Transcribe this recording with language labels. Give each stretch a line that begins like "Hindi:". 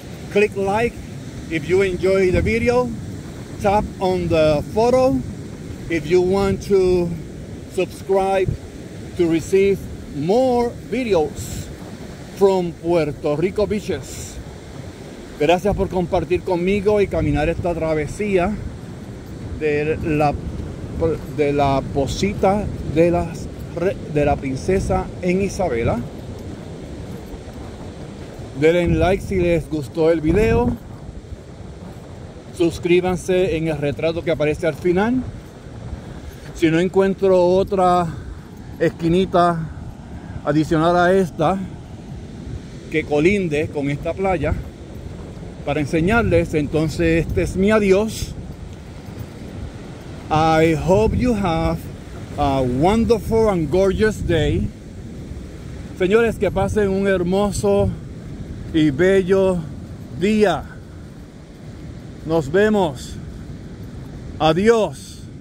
English: Click like if you enjoy the video. Tap on the photo if you want to subscribe to receive more videos from Puerto Rico beaches.
Spanish: Gracias por compartir conmigo y caminar esta travesía de la Pocita de la Princesa en Isabela. Denle like si les gustó el video. Suscríbanse en el retrato que aparece al final. Si no encuentro otra esquinita adicional a esta que colinde con esta playa para enseñarles, entonces este es mi adiós.
English: I hope you have a wonderful and gorgeous day.
Spanish: Señores, que pasen un hermoso y bello día. Nos vemos. Adiós.